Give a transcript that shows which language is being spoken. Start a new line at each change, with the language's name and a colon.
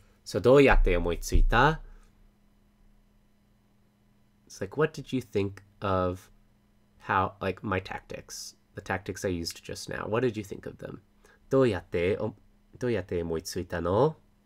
Japanese: So, どうやって思いついた?
English: It's like, what did you think of how, like, my tactics, the tactics I used just now? What did you think of them?
Japanese: どうやって思いついたの?